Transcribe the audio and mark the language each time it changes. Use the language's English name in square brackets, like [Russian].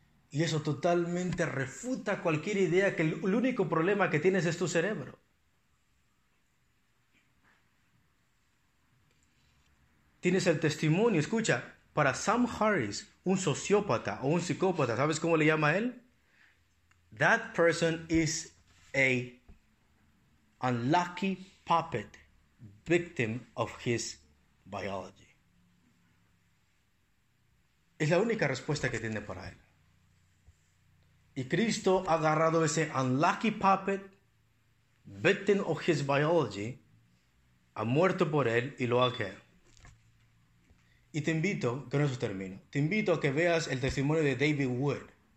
[Spanish] Y eso totalmente refuta cualquier idea que el único problema que tienes es tu cerebro. Tienes el testimonio. Escucha, para Sam Harris, un sociópata o un psicópata, ¿sabes cómo le llama a él? [English] That person is a unlucky puppet, victim of his biology. [Spanish] Es la única respuesta que tiene para él. Y Cristo ha agarrado ese unlucky puppet, victim of his biology, ha muerto por él y lo ha quedado. Y te invito, con eso termino, te invito a que veas el testimonio de David Wood.